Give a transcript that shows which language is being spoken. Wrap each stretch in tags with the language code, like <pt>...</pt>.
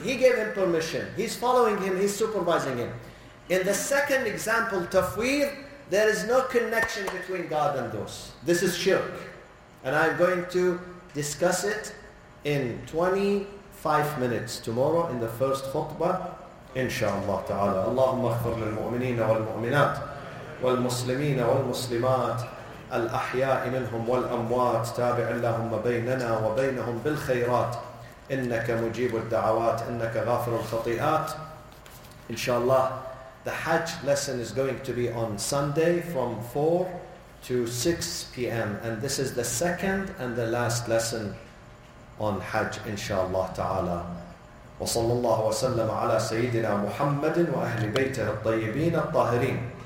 <en>He gave him permission. He's following him. He's supervising him. In the second example, tafwir, there is no connection between God and those. This is shirk. And I'm going to discuss it in 25 minutes tomorrow in the first khutbah.</en> <ar>إن شاء الله تعالى اللهم اغفر للمؤمنين والمؤمنات والمسلمين والمسلمات الأحياء منهم والأموات تابع اللهم بيننا وبينهم بالخيرات إنك مجيب الدعوات إنك غافر الخطيئات. إن شاء الله,</ar> <en>the Hajj lesson is going to be on Sunday from 4 to 6 p.m. and this is the second and the last lesson on Hajj,</en> <ar>إن شاء الله تعالى. وصلى الله وسلم على سيدنا محمد وأهل بيته الطيبين الطاهرين.</ar>